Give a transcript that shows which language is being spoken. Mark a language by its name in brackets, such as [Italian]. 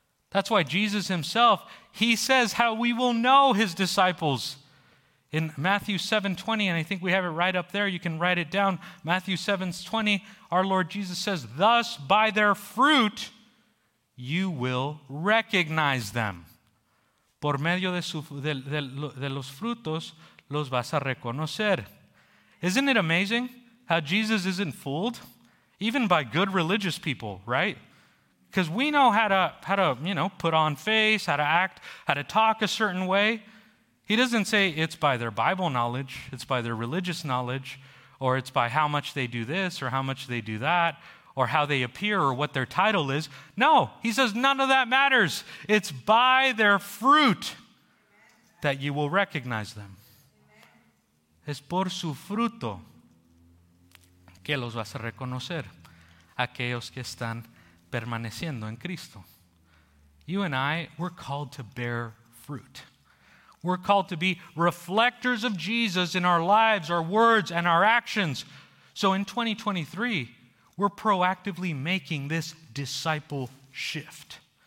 [English] That's why Jesus himself, he says how we will know his disciples. In Matthew 7:20, and I think we have it right up there, you can write it down. Matthew 7:20, our Lord Jesus says, "Thus by their fruit you will recognize them." [Spanish] Por medio de los frutos los vas a reconocer. [English] Isn't it amazing how Jesus isn't fooled? Even by good religious people, right? Because we know how to put on face, how to act, how to talk a certain way. He doesn't say it's by their Bible knowledge, it's by their religious knowledge, or it's by how much they do this or how much they do that, or how they appear or what their title is. No, he says none of that matters. It's by their fruit that you will recognize them. [Spanish] Es por su fruto que los vas a reconocer, aquellos que están permaneciendo en Cristo. [English] You and I, we're called to bear fruit. We're called to be reflectors of Jesus in our lives, our words, and our actions. So in 2023, we're proactively making this disciple shift.